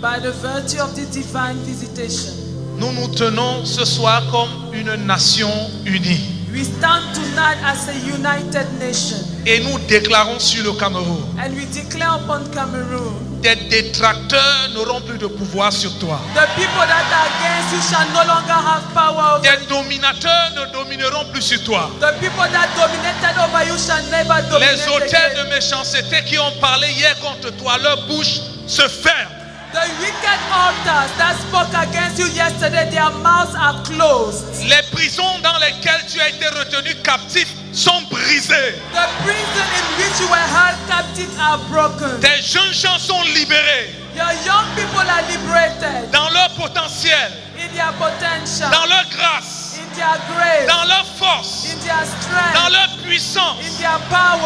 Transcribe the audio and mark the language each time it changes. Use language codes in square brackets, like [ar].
[en] by the virtue of the divine visitation, [fr] nous nous tenons ce soir comme une nation unie. [en] We stand tonight as a united nation. [fr] Et nous déclarons sur le Cameroun. [en] And we declare upon Cameroon. [fr] Tes détracteurs n'auront plus de pouvoir sur toi. [en] The people that are against you shall no longer have power over you. [fr] Tes dominateurs ne domineront plus sur toi. [en] The people that dominated over you shall never dominate. [fr] Les auteurs de méchanceté qui ont parlé hier contre toi, leur bouche se ferme. [en] The wicked altars that spoke against you yesterday, their mouths are closed. [fr] Les prisons dans lesquelles tu as été retenu captif sont brisés. [en] The prison in which you were held captive are broken. [fr] Tes jeunes gens sont libérés. [en] Your young people are liberated. [fr] Dans leur potentiel. [en] In their potential. [fr] Dans leur grâce. [en] In their grace. [fr] Dans leur force. [en] In their strength. [fr] Dans leur puissance. [en] In their power.